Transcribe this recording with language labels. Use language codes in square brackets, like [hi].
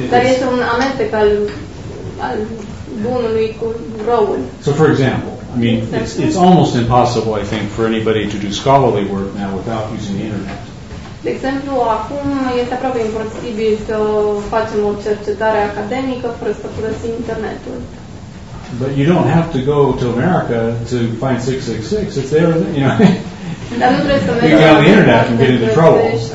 [ro] Dar este un amestec al bunului cu răul. [en] So, for example, I mean, it's almost impossible, I think, for anybody to do scholarly work now without using the internet. [ro] De exemplu, acum este aproape imposibil să facem o cercetare academică fără să folosim internetul. [en] But you don't have to go to America to find 666. It's there, you know. You get on the internet and get into trouble.